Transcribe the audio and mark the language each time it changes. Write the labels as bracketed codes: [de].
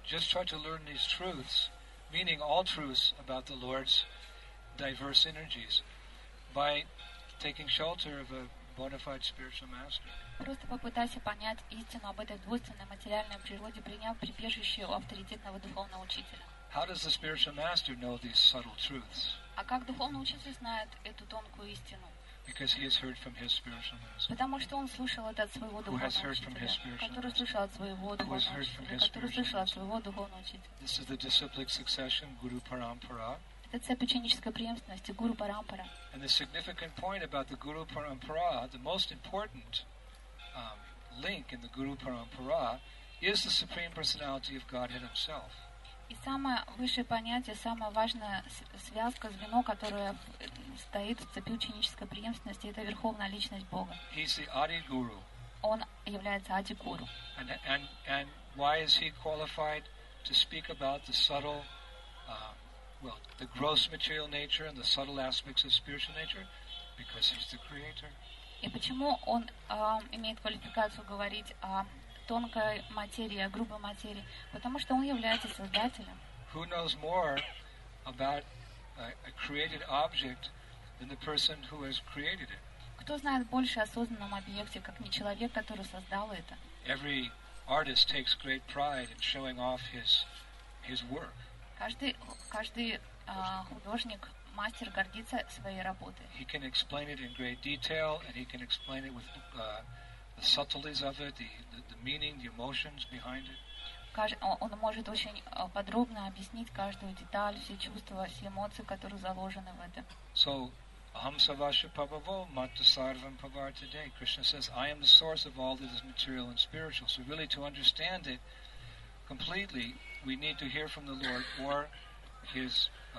[en] Just try to learn these truths, meaning all truths about the Lord's diverse energies, by taking shelter of a bona fide spiritual master. [ru] Просто попытайся понять истину об этой двойственной материальной природе, приняв прибежище у авторитетного духовного учителя. [en] How does the spiritual master know these subtle truths? [ru] А как духовный учитель знает эту тонкую истину? [en] Because he has heard from his spiritual master. [ru] Потому что он слышал это от своего духовного учителя. Который слышал от своего духовного учителя. [en] This is the disciplic succession, Guru Parampara. [ru] Это цепь ученической преемственности, Guru Parampara. [en] And the significant point about the Guru Parampara, the most important link in the Guru Parampara, is the Supreme Personality of Godhead Himself. [ru] И самое высшее понятие, самая важная связка, звено, которое стоит в цепи ученической преемственности, это Верховная Личность Бога. [en] He's the Adi Guru. [ru] Он является Ади Гуру. [en] And why is he qualified to speak about the subtle, well, the gross material nature and the subtle aspects of spiritual nature? Because he's the Creator. [ru] И почему он имеет квалификацию говорить о тонкой материи, грубой материи, потому что он является создателем. [en] Who knows more about a created object than the person who has created it? [ru] Кто знает больше о созданном объекте, как не человек, который создал это? [en] Every artist takes great pride in showing off his work. [ru] Каждый художник, мастер гордится своей работой. [en] He can explain it in great detail, and he can explain it with the subtleties of it, the meaning, the emotions behind it. [ru] Он может очень подробно объяснить каждую деталь, все чувства, все эмоции, которые заложены в этом. [sa] So, aham savasya pabhavo mata sarvam pavartade. [en] Krishna says, I am the source of all that is material and spiritual. So really to understand it completely, we need to hear from the Lord or his